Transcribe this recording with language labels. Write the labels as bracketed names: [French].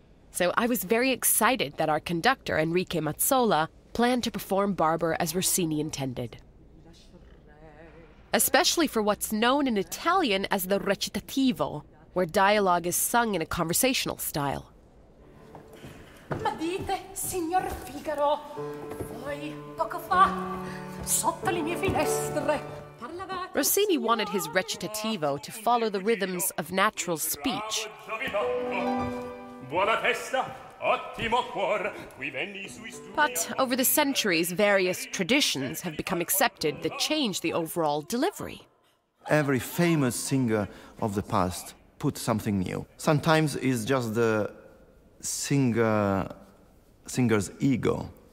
[English] So I was very excited that our conductor, Enrique Mazzola, planned to perform Barber as Rossini intended. Especially for what's known in Italian as the recitativo, where dialogue is sung in a conversational style. [Italian] Ma dite, signor Figaro, voi poco fa, sotto le mie finestre, parlavate. [English] Rossini wanted his recitativo to follow the rhythms of natural speech. [Italian] Buona testa, ottimo cuor, qui venni sui studi. [English] But over the centuries, various traditions have become accepted that change the overall delivery. Every famous singer of the past put something new. Sometimes it's just the singer's ego.